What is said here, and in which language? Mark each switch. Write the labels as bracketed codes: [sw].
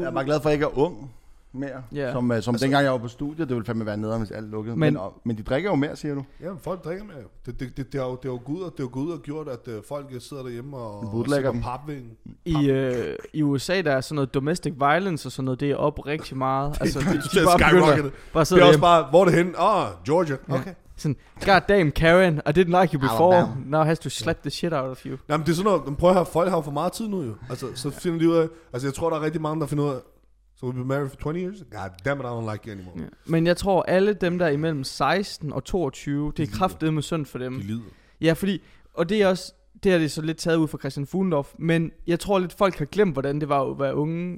[da] Jeg er bare glad for at jeg ikke er ung mere, som altså, dengang jeg var på studiet, det ville fandme være nederen, hvis alt lukkede. Men de drikker jo mere, siger du? Ja, folk drikker mere. Det er jo gud og gjort, at folk sidder derhjemme og sidder på papvind. I USA, der er sådan noget domestic violence og sådan noget, det er op rigtig meget. Det er skyrocketet. Det er også bare, hvor er det henne? Ah, Georgia. Okay. Yeah. [en] Sådan, god damn Karen, I didn't like you before, now has to slap the shit out of you. [da] Jamen det er sådan noget, prøv at høre, folk har for meget tid nu jo. Altså, så finder de ud af, altså jeg tror der er rigtig mange, der finder ud af, [en] so we've been married for 20 years, god damn it, I don't like you anymore. [da] Ja. Men jeg tror alle dem der imellem 16 og 22, det er kraftedeme synd for dem. De lider. Ja, fordi, og det er også, det er det så lidt taget ud fra Christian Fuglendorf, men jeg tror lidt folk har glemt, hvordan det var at være unge.